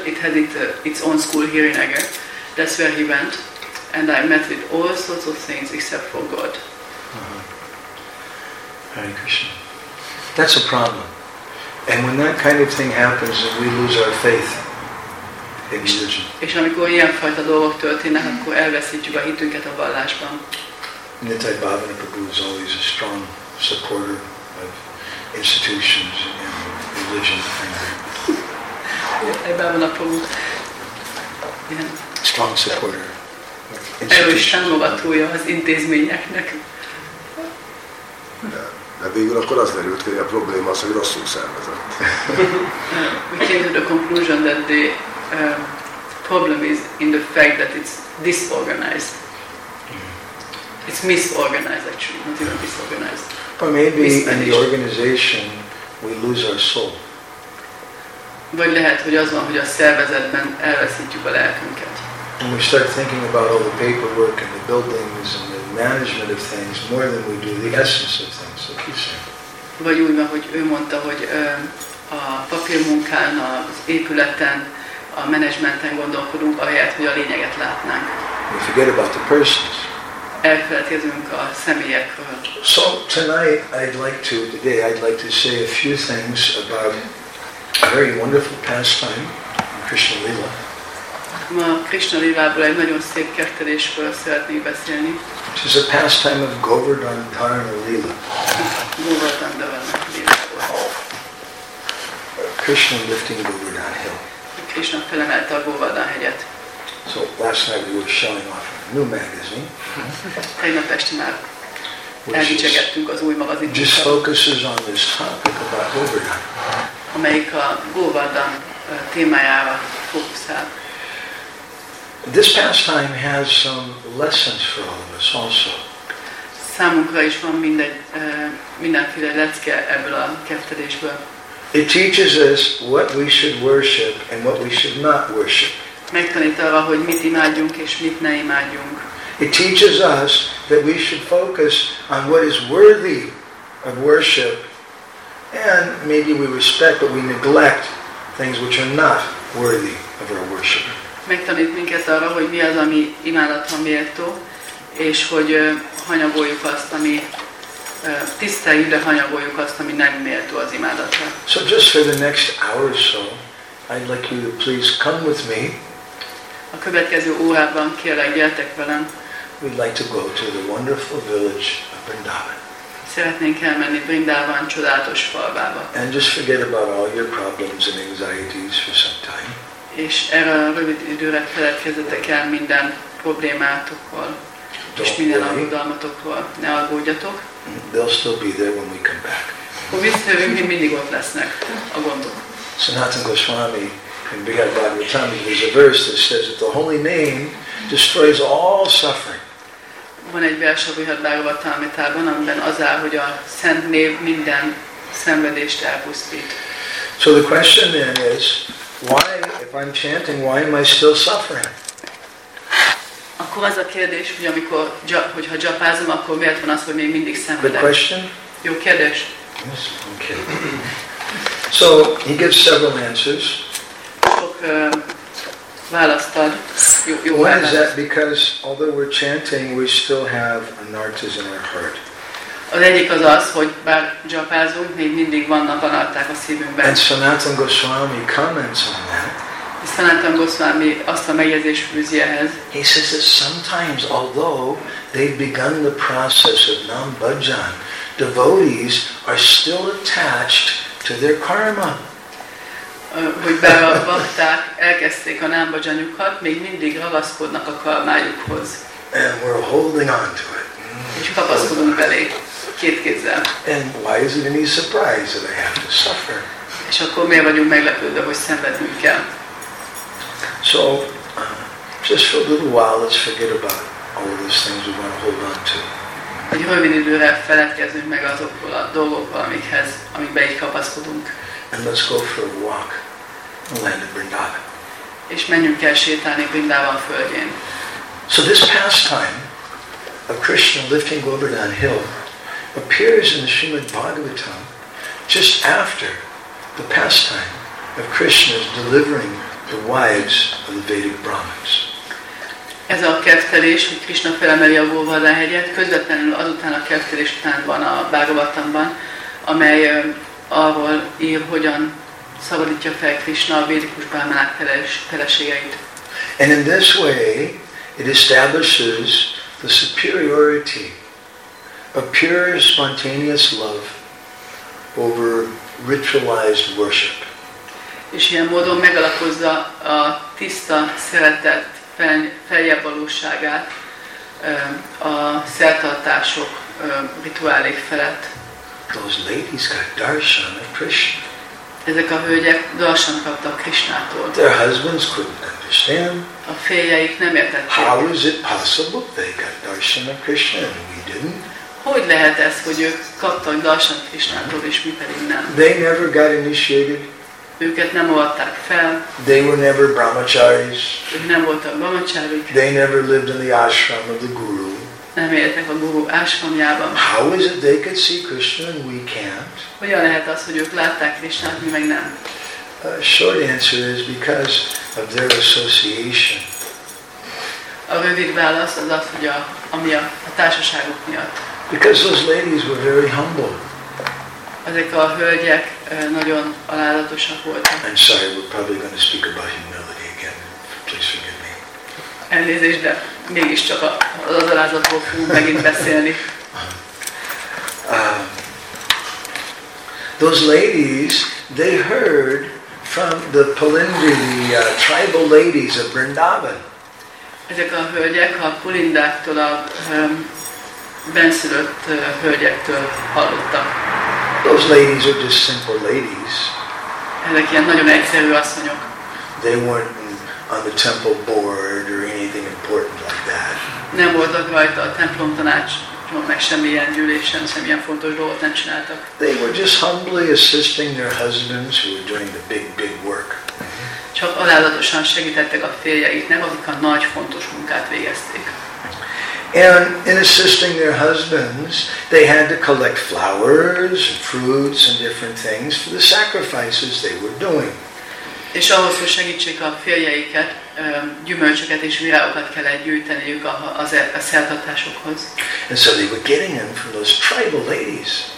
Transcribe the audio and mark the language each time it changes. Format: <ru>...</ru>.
<en>It had its own school here in Eger. That's where he went. And I met with all sorts of things except for God. Uh-huh. Hare Krishna. That's a problem. And when that kind of thing happens, then we lose our faith in religion.</en> <hu>És amikor ilyenfajta dolgok történnek, akkor elveszítjük a hitünket a vallásban.</hu> <en>Nittai Bhavana Prabhu is always a strong supporter of institutions and religion. Nittai Bhavana Prabhu. Strong supporter.</en> <hu>Erős támogatója az intézményeknek. De végül akkor az derült, hogy a probléma az, hogy rosszul szervezett.</hu> <en>We came to the conclusion that the problem is in the fact that it's disorganized. It's misorganized actually, not even disorganized. But maybe in the organization we lose our soul.</en> <hu>Vagy lehet, hogy az van, hogy a szervezetben elveszítjük a lelkünket.</hu> <en>And we start thinking about all the paperwork and the buildings and the management of things more than we do the essence of things. Like you said.</en> <hu>Vagy úgy van, hogy ő mondta, hogy a papírmunkán, az épületen, a menedzsmenten gondolkodunk, ahelyett, hogy a lényeget látnánk.</hu> <en>We forget about the persons.</en> <hu>Elfeledkezünk a személyekről.</hu> <en>So tonight I'd like to, today I'd like to say a few things about a very wonderful pastime in Krishna Lila.</en> <hu>Ma Krishna Lilából egy nagyon szép kertelésről szeretnék beszélni.</hu> <en>It is a pastime of Govardhan Dharana Lila. Govardhan Dharana Lila. Krishna lifting Govardhan Hill.</en> <hu>Krishna felemelte a Govardhan hegyet.</hu> <en>So last night we were showing off a new magazine.</en> <hu>Tegnap este már elvicsegettünk az új magazinunkat.</hu> <en>Just focuses on this topic about Govardhan.</en> <hu>Amelyik a Govardhan témájára fókuszál.</hu> <en>This pastime has some lessons for all of us also.</en> <hu>Számunkra is van mindenféle lecke ebből a kettedésből.</hu> <en>It teaches us what we should worship and what we should not worship.</en> <hu>Megtanít arra, hogy mit imádjunk és mit ne imádjunk.</hu> <en>It teaches us that we should focus on what is worthy of worship and maybe we respect but we neglect things which are not worthy of our worship.</en> <hu>Megtanít minket arra, hogy mi az, ami imádatlan méltó, és hogy hanyagoljuk azt, ami tiszteljük, de hanyagoljuk azt, ami nem méltó az imádatra.</hu> <en>So just for the next hour or so, I'd like you to please come with me.</en> <hu>A következő órában kérlek, gyertek velem.</hu> <en>We'd like to go to the wonderful village of Vrindavan.</en> <hu>Szeretnénk elmenni Vrindavan csodálatos falvába.</hu> <en>And just forget about all your problems and anxieties for some time.</en> <hu>És erre a rövid időre feledkezzetek el minden problémátokról és minden aggodalmatokról. Ne aggódjatok.</hu> <en>They'll still be there when we come back.</en> <hu>Ha visszajövünk, mindig ott lesznek a gondok.</hu> <en>Sanatana Goswami in Bihar Bhagavatami, there's a verse that says that the holy name destroys all suffering.</en> <hu>Van egy vers a Bihar Bhagavatamitában, amiben az áll, hogy a szent név minden szenvedést elpusztít.</hu> <en>So the question then is, why, if I'm chanting, why am I still suffering?</en> <hu>Akkor az a kérdés, hogy amikor, hogyha japázom, akkor miért van az, hogy még mindig szenvedek?</hu> <en>Good question.</en> <hu>Jó kérdés.</hu> <en>Yes, okay. So, he gives several answers.</en> <hu>Sok választ ad. Jó</hu> <en>why is that? Because although we're chanting, we still have anarthas in our heart.</en> <hu>Az egyik az az, hogy bár japázunk, még mindig vannak anarták a szívünkben.</hu> <en>And Sanatana Goswami comments on that.</en> <hu>És Sanatana Goswami azt a megjegyzést fűzi ehhez.</hu> <en>He says that sometimes, although they've begun the process of nambhajan, devotees are still attached to their karma.</en> <hu>Hogy bár a bhakták elkezdték a nambhajanjukat, még mindig ragaszkodnak a karmájukhoz.</hu> <en>And we're holding on to it.</en> <hu>És kapaszkodunk belé. Két kézzel.</hu> <en>And why is it any surprise that I have to suffer?</en> <hu>És akkor miért vagyunk meglepődve, hogy szenvednünk kell?</hu> <en>So, just for a little while, let's forget about all these things we want to hold on to.</en> <hu>Egy rövid időre feledkezzünk meg azokról a dolgokról, amikhez, amikbe így kapaszkodunk.</hu> <en>And let's go for a walk and land in Vrindavan.</en> <hu>És menjünk el sétálni Vrindavan földjén.</hu> <en>So this pastime of Krishna lifting Govardhan Hill appears in the Srimad Bhagavatam just after the pastime of Krishna's delivering the wives of the Vedic Brahmins.</en> <hu>Ez a kertelés, hogy Krishna felemeli a Govardhan hegyet, közvetlenül azután a kertelés után van a Bhagavatamban, amely arról ír, hogyan szabadítja fel Krishna a védikus brahmanák feleségeit.</hu> <en>And in this way, it establishes the superiority a pure spontaneous love over ritualized worship.</en> <hu>És ilyen módon megalapozza a tiszta szeretet feljebb valóságát a szertartások rituálék felett.</hu> <en>Those ladies got darshan of Krishna.</en> <hu>Ezek a hölgyek darshan kaptak Krishnától.</hu> <en>Their husbands couldn't understand.</en> <hu>A férjeik nem értették.</hu> <en>How is it possible they got darshan of Krishna and we didn't?</en> <hu>hogy lehet ez, hogy ők kaptak darsan Krisnától, és mi pedig nem?</hu> <en>They never got initiated.</en> <hu>Őket nem avatták fel.</hu> <en>They were never brahmacharis.</en> <hu>Ők nem voltak brahmacharik.</hu> <en>They never lived in the ashram of the guru.</en> <hu>Nem éltek a guru ashramjában.</hu> <en>How is it they could see Krishna and we can't?</en> <hu>Hogyan lehet az, hogy ők látták Krisnát, mi meg nem?</hu> <en>Short answer is because of their association.</en> <hu>A rövid válasz az az, hogy a társaságuk miatt.</hu> <en>Because those ladies were very humble.</en> <hu>Ezek a hölgyek nagyon alázatosak voltak.</hu> <en>I'm sorry, we're probably going to speak about humility again. Please forgive me.</en> <hu>Elnézést, de mégiscsak az alázatról fogunk megint beszélni.</hu> <en>Those ladies, they heard from the Palindri tribal ladies of Vrindavan.</en> <hu>Ezek a hölgyek a Pulindáktól, a benszülött hölgyektől hallottak.</hu> <en>Those ladies are just simple ladies.</en> <hu>Ezek ilyen nagyon egyszerű asszonyok.</hu> <en>They weren't on the temple board or anything important like that.</en> <hu>Nem voltak rajta a templom tanácson, meg semmilyen gyűlésen, semmilyen fontos dolgot nem csináltak.</hu> <en>They were just humbly assisting their husbands who were doing the big, big work.</en> <hu>Csak alázatosan segítettek a férjeiknek, akik a nagy, fontos munkát végezték.</hu> <en>And in assisting their husbands, they had to collect flowers and fruits and different things for the sacrifices they were doing.</en> <hu>És ahhoz, hogy segítsék a férjeiket, gyümölcsöket és virágokat kellett gyűjteniük a szertartásokhoz.</hu> <en>And so they were getting them from those tribal ladies.</en>